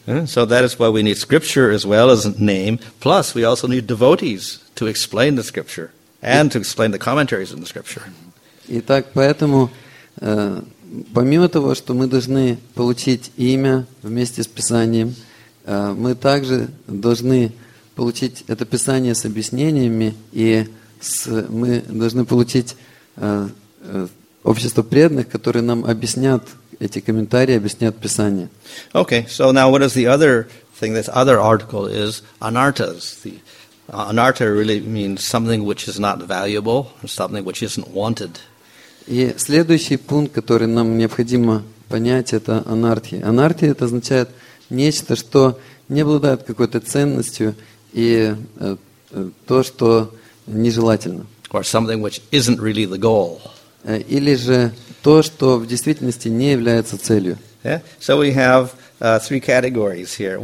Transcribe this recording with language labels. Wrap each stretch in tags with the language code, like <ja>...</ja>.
<en>So that is why we need scripture as well as name. Plus, we also need devotees to explain the scripture and to explain the commentaries in the scripture.</en> <ru>Итак, поэтому, помимо того, что мы должны получить имя вместе с Писанием, мы также должны получить это Писание с объяснениями, и мы должны получить общество преданных, которые нам объяснят эти комментарии, объяснят Писание.</ru> <en>Okay, so now what is the other thing? This other article is anartas. The anarta really means something which is not valuable, something which isn't wanted.</en> <ru>И следующий пункт, который нам необходимо понять, это анартхи. Анартхи это означает нечто, что не обладает какой-то ценностью и то, что нежелательно.</ru> <en>Or something which isn't really the goal.</en> <ru>Или же то, что в действительности не является целью.</ru> <en>Yeah. So we have three categories here.</en>